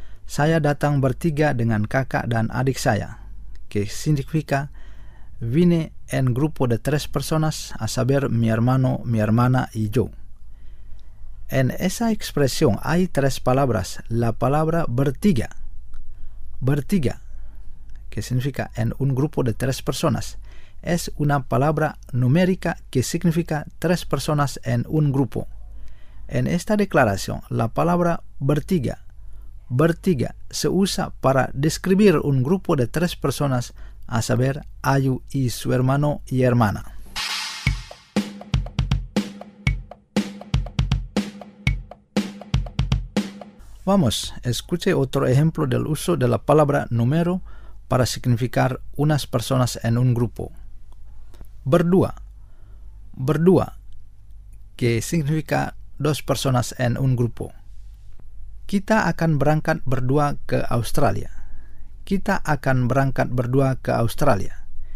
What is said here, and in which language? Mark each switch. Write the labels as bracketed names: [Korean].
[Indonesian] Saya datang bertiga dengan kakak dan adik saya. [Spanish] Que significa vine en grupo de tres personas, a saber mi hermano, mi hermana y yo. En esa expresión hay tres palabras. La palabra bertiga. Bertiga. Que significa en un grupo de tres personas. Es una palabra numérica que significa tres personas en un grupo. En esta declaración, la palabra bertiga, bertiga, se usa para describir un grupo de tres personas, a saber, Ayu y su hermano y hermana. Vamos, escuche otro ejemplo del uso de la palabra número para significar unas personas en un grupo. Berdua, berdua, que significa dos personas en un grupo. [Indonesian] Kita akan berangkat berdua ke Australia. Kita akan berangkat berdua ke Australia.